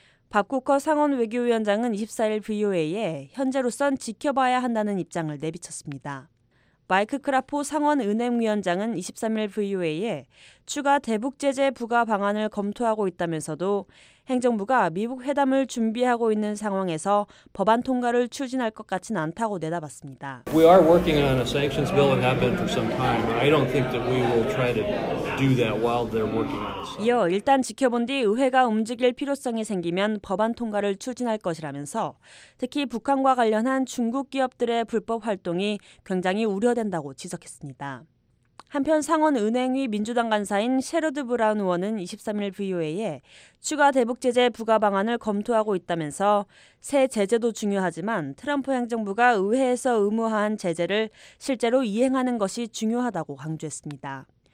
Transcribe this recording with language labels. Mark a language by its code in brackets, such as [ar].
[ko] 밥 쿠커 상원 외교위원장은 24일 VOA에 현재로선 지켜봐야 한다는 입장을 내비쳤습니다. 마이크 크라포 상원 은행위원장은 23일 VOA에 추가 대북 제재 부과 방안을 검토하고 있다면서도 행정부가 미북 회담을 준비하고 있는 상황에서 법안 통과를 추진할 것 같진 않다고 내다봤습니다. [en] We are working on a sanctions bill and have been for some time. I don't think that we will try to do that while they're working on it. [ko] 이어 일단 지켜본 뒤 의회가 움직일 필요성이 생기면 법안 통과를 추진할 것이라면서 특히 북한과 관련한 중국 기업들의 불법 활동이 굉장히 우려된다고 지적했습니다. 한편 상원은행위 민주당 간사인 셰러드 브라운 의원은 23일 VOA에 추가 대북 제재 부과 방안을 검토하고 있다면서 새 제재도 중요하지만 트럼프 행정부가 의회에서 의무화한 제재를 실제로 이행하는 것이 중요하다고 강조했습니다.